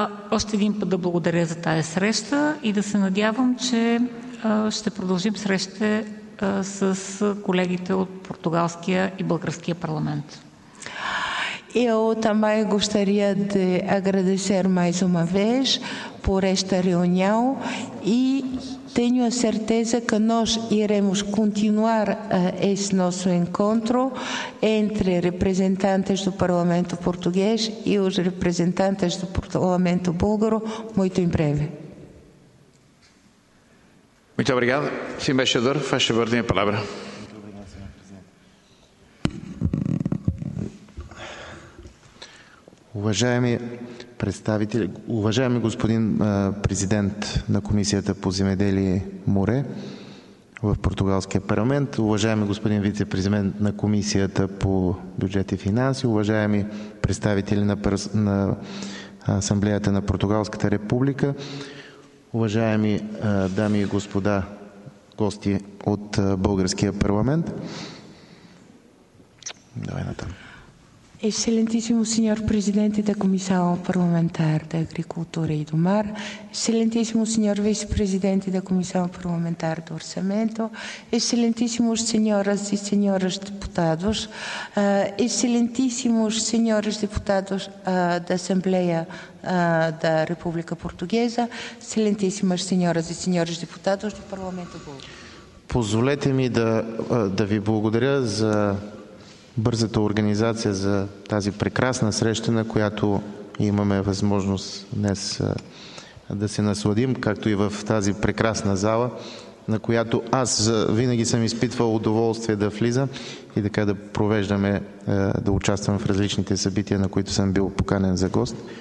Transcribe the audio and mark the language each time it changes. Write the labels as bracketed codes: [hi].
[bg] Още един път да благодаря за тая среща и да се надявам, че ще продължим срещите с колегите от португалския и българския парламент. [pt] Eu também gostaria de agradecer mais uma vez por esta reunião e tenho a certeza que nós iremos continuar esse nosso encontro entre representantes do Parlamento Português e os representantes do Parlamento Búlgaro muito em breve. Muito obrigado. Sr. Embaixador, faz favor, tenha a palavra. [bg] Уважаеми представители, уважаеми господин президент на Комисията по земеделие море в португалския парламент, уважаеми господин вице-президент на Комисията по бюджет и финанси, уважаеми представители на Асамблеята на Португалската република, уважаеми дами и господа гости от българския парламент. Давай натам. [pt] Excelentíssimo Senhor Presidente da Comissão Parlamentar da Agricultura e do Mar, Excelentíssimo Senhor Vice-Presidente da Comissão Parlamentar do Orçamento, Excelentíssimos Senhoras e Senhores Deputados, Excelentíssimos Senhores Deputados da Assembleia da República Portuguesa, Excelentíssimas Senhoras e Senhores Deputados do Parlamento Búlgaro. [bg] Позволете-me да ви благодаря за бързата организация за тази прекрасна среща, на която имаме възможност днес да се насладим, както и в тази прекрасна зала, на която аз винаги съм изпитвал удоволствие да влизам и така да провеждаме, да участвам в различните събития, на които съм бил поканен за гост.